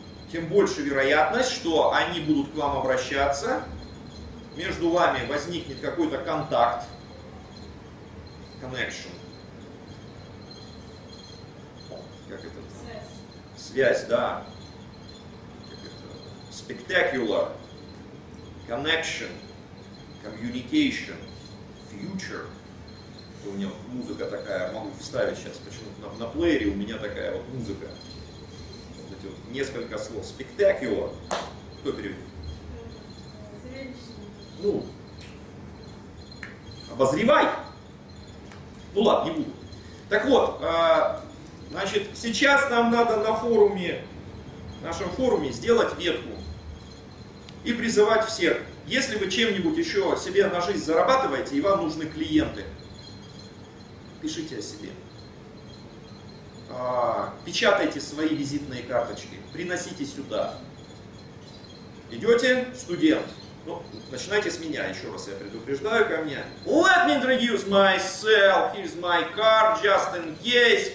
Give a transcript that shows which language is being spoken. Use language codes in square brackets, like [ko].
[ru] тем больше вероятность, что они будут к вам обращаться, между вами возникнет какой-то контакт, connection, как это? Связь. Связь, да. Как это? [en] Spectacular, connection, communication, future. [ru] У меня музыка такая, могу вставить сейчас почему-то на плеере, у меня такая вот музыка. Вот эти вот несколько слов. Spectacular. Кто переведет? Зрелищный. Ну, обозревай. Ну ладно, не буду. Так вот, значит, сейчас нам надо на форуме, в нашем форуме сделать ветку и призывать всех. Если вы чем-нибудь еще себе на жизнь зарабатываете и вам нужны клиенты, пишите о себе. Печатайте свои визитные карточки. Приносите сюда. Идете? Студент. Ну, начинайте с меня. Еще раз я предупреждаю ко мне. [en] Let me introduce myself. Here's my card, just in case.